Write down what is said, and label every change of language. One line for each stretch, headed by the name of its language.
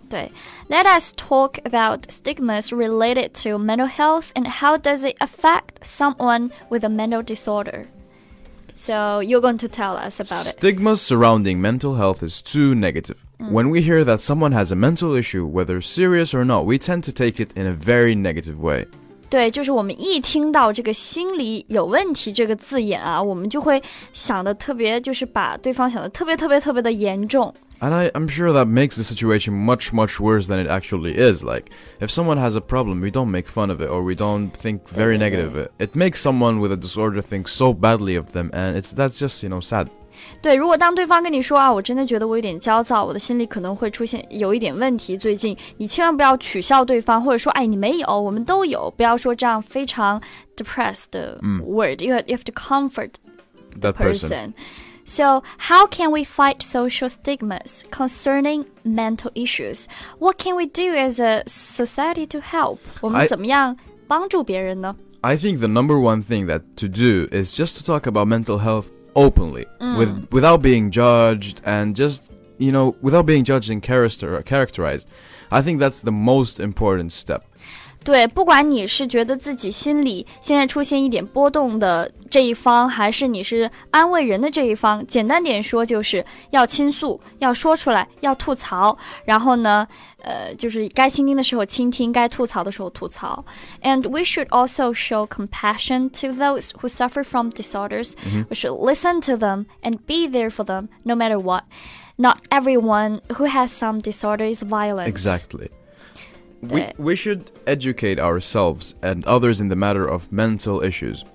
English: 对 Let us talk about stigmas related to mental health and how does it affect someone with a mental disorder. So you're going to tell us about it. Stigma surrounding mental health is too negative. When we hear that someone has a mental issue, whether serious or not, we tend to take it in a very negative way.
Chinese: 对，就是我们一听到这个心理有问题这个字眼啊，我们就会想的特别，就是把对方想的特别特别特别的严重。
English: And I'm sure that makes the situation much, much worse than it actually is. Like, if someone has a problem, we don't make fun of it or we don't think very negative of it. It makes someone with a disorder think so badly of them and that's just, you know, sad.
Chinese: 对，如果当对方跟你说啊，我真的觉得我有点焦躁，我的心里可能会出现有一点问题，最近你千万不要取笑对方，或者说，哎，你没有，我们都有，不要说这样非常 depressed 的 word.
English: You have to comfort the person. So, how can we fight social stigmas concerning mental issues? What can we do as a society to help?
Chinese: 我们怎么样帮助别人呢？
English: I think the number one thing that to do is just to talk about mental health. Openly, without being judged and just, you know, without being judged and characterized. I think that's the most important step.
Chinese: 对，不管你是觉得自己心里现在出现一点波动的这一方，还是你是安慰人的这一方，简单点说就是要倾诉，要说出来，要吐槽，然后呢，就是该倾听的时候倾听，该吐槽的时候吐槽。
English: And we should also show compassion to those who suffer from disorders. We should listen to them and be there for them no matter what. Not everyone who has some disorder is violent. Exactly. We should educate ourselves and others in the matter of mental issues.